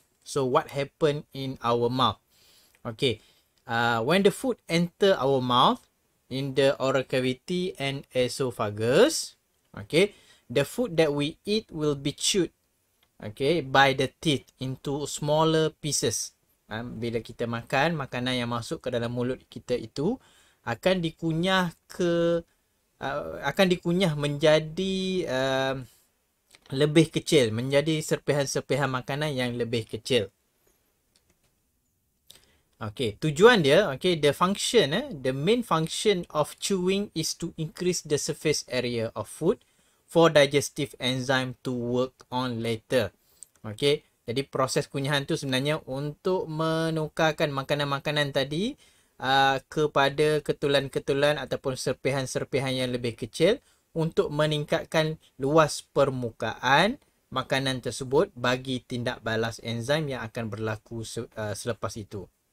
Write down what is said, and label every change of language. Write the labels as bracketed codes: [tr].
[en] So what happened in our mouth? Okay, when the food enter our mouth in the oral cavity and esophagus, okay, the food that we eat will be chewed, okay, by the teeth into smaller pieces. [ms] Bila kita makan, makanan yang masuk ke dalam mulut kita itu akan dikunyah ke akan dikunyah menjadi lebih kecil, menjadi serpihan-serpihan makanan yang lebih kecil. [en] Okay, [ms] tujuan dia, [en] okay, the function, the main function of chewing is to increase the surface area of food for digestive enzyme to work on later. [ms] Okay, jadi proses kunyahan tu sebenarnya untuk menukarkan makanan-makanan tadi kepada ketulan-ketulan ataupun serpihan-serpihan yang lebih kecil untuk meningkatkan luas permukaan makanan tersebut bagi tindak balas enzim yang akan berlaku selepas itu.